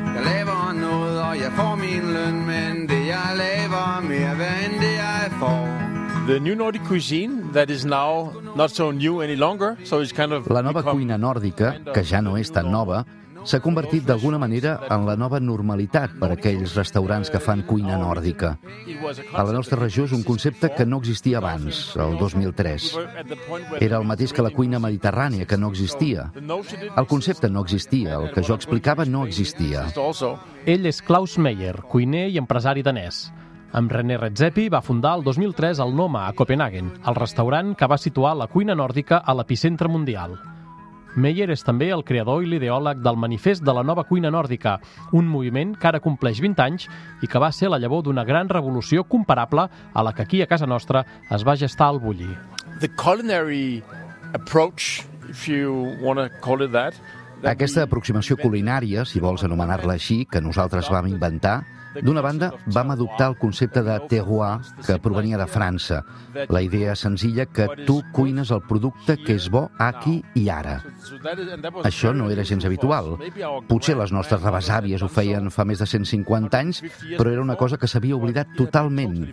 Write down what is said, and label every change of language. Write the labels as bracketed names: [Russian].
[Danish] Jeg laver noget, og jeg får min løn, men det jeg laver mere værd end det jeg får. [English] The new Nordic cuisine that is now not so new any longer, so it's kind of [Catalan] la nova cuina nòrdica, que ja no és tan nova, s'ha convertit d'alguna manera en la nova normalitat per a aquells restaurants que fan cuina nòrdica. A la nostra regió és un concepte que no existia abans, el 2003. Era el mateix que la cuina mediterrània, que no existia. El concepte no existia, el que jo explicava no existia. Ell és Klaus Meyer, cuiner i empresari danès. Amb René Redzepi va fundar el 2003 el Noma, a Copenhagen, el restaurant que va situar la cuina nòrdica a l'epicentre mundial. Meyer és també el creador i l'ideòleg del Manifest de la Nova Cuina Nòrdica, un moviment que ara compleix 20 anys i que va ser la llavor d'una gran revolució comparable a la que aquí a casa nostra es va gestar el bulli. [English] The culinary approach, if you want to call it that, [Catalan] aquesta aproximació culinària, si vols anomenar-la així, que nosaltres vam inventar, d'una banda, vam adoptar el concepte de terroir que provenia de França. La idea senzilla que tu cuines el producte que és bo aquí i ara. Això no era gens habitual. Potser les nostres rebesàvies ho feien fa més de 150 anys, però era una cosa que s'havia oblidat totalment.